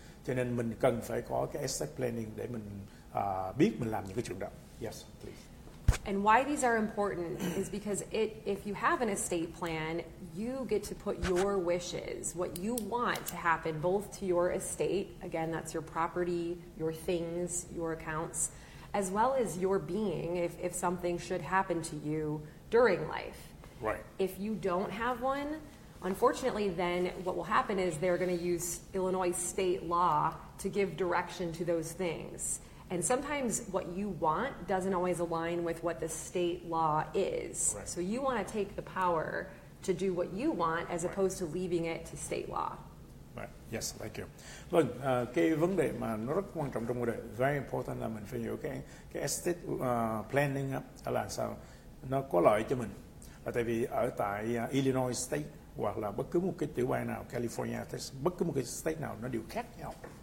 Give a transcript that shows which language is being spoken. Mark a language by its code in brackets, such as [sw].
[vi] Cho nên mình cần phải có cái estate planning để mình biết mình làm những cái chuyện đó. [en] Yes, please. And why these are important is because if you have an estate plan, you get to put your wishes, what you want to happen, both to your estate, again, that's your property, your things, your accounts, as well as your being, if something should happen to you during life. Right. If you don't have one, unfortunately, then what will happen is they're going to use Illinois state law to give direction to those things. And sometimes what you want doesn't always align with what the state law is. Right. So you want to take the power to do what you want as opposed to leaving it to state law. Right. Yes, thank you. [vi] Vâng, cái vấn đề mà nó rất quan trọng trong vấn đề, [en] very important [vi] là mình phải hiểu cái estate planning là sao nó có lợi cho mình. Là tại vì ở tại Illinois state hoặc là bất cứ một cái tiểu bang nào, California, Texas, bất cứ một cái state nào nó đều khác nhau.